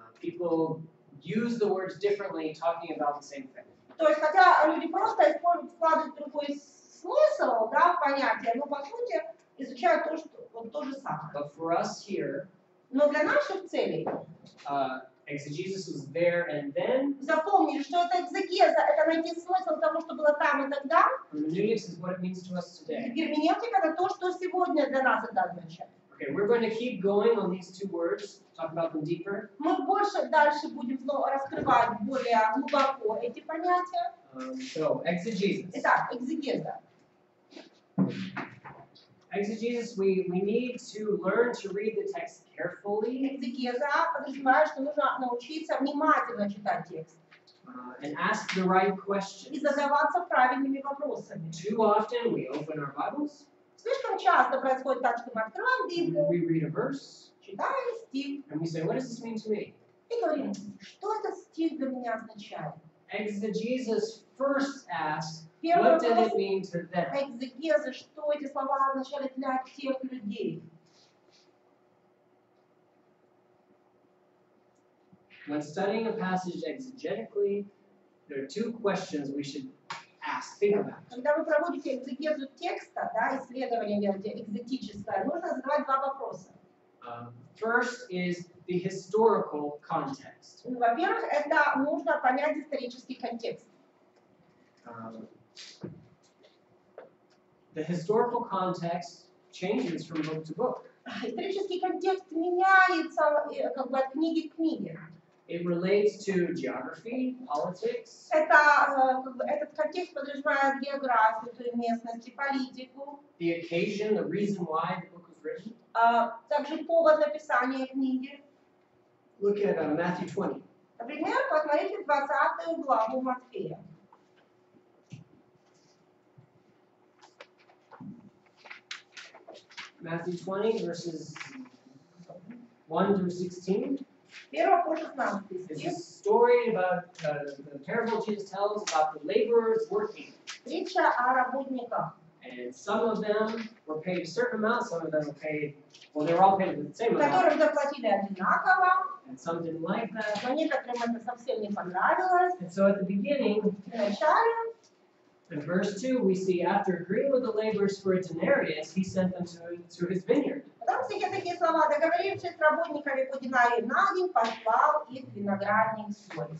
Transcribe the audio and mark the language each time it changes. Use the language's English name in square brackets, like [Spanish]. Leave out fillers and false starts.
[English] People use the words differently talking about the same thing. [Russian] То есть, хотя люди просто используют, вкладывают другой смысл, да, в понятие, но по сути изучают то, что, вот, то же самое. [English] But for us here, [Russian] но для наших целей, [English] exegesis was there and then, [Russian] запомнили, что это экзегеза, это найти смысл того, что было там и тогда. [English] Hermeneutics is what it means to us today. [Russian] И герменевтика – это то, что сегодня для нас это означает. [English] Okay, we're going to keep going on these two words, talk about them deeper. [Russian] Мы больше дальше будем раскрывать более глубоко эти понятия. [English] So, exegesis. [Russian] Итак, экзегеза. [English] Exegesis, we need to learn to read the text carefully. [Russian] Экзегеза подразумевает, что нужно научиться внимательно читать текст. [English] And ask the right questions. [Russian] И задаваться правильными вопросами. [English] Too often we open our Bibles. [Russian] Слишком часто происходит так, что мы открываем Библию, [English] we read a verse, [Russian] читаем стих, [English] and we say, what does this mean to me? [Russian] И говорим, что этот стих для меня означает? [English] Exegesis first asks, what did it mean to them? [Russian] Экзегеза, что эти слова означали для тех людей? [English] When studying a passage exegetically, there are two questions we should ask, [Russian] когда вы проводите экзегезу текста, да, исследование делаете экзотическое, нужно задавать два вопроса. [English] First is the historical context. [Russian] Ну, во-первых, это нужно понять исторический контекст. [English] The historical context changes from book to book. [Russian] Исторический контекст меняется как бы от книги к книге. [English] It relates to geography, politics. [Russian] Это этот контекст подразумевает географию, то есть местность, политику. [English] The occasion, the reason why the book was written. [Russian] Также повод написания книги. [English] Look at Matthew 20. [Russian] Например, посмотрите 20 главу Матфея. [English] Matthew 20, verses 1 through 16. It's a story about the parable Jesus tells about the laborers working. [Russian] Притча о работниках. [English] And some of them were paid a certain amount, some of them were paid, well, they were all paid the same amount. [Russian] Которым заплатили одинаково. [English] And some didn't like that. [Russian] Но некоторым это совсем не понравилось. [English] And so at the beginning, in verse 2, we see after agreeing with the laborers for a denarius, he sent them to his vineyard. [Russian] Там стоят такие слова, договорившись с работниками по динарию на день, послал их виноградник свой.